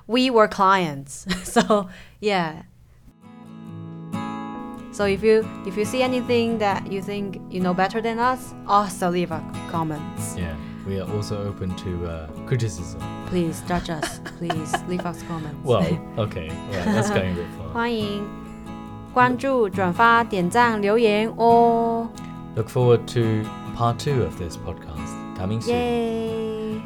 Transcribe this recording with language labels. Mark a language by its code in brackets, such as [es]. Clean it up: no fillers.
[en] We were clients, so yeah. So if you see anything that you think you know better than us, also leave a comments. Yeah, we are also open to criticism. Please judge us. Please leave us comments. Well, okay, yeah, that's going a bit far. [zh] 欢迎关注、转发、点赞、留言 [en] Look forward to part two of this podcast coming soon.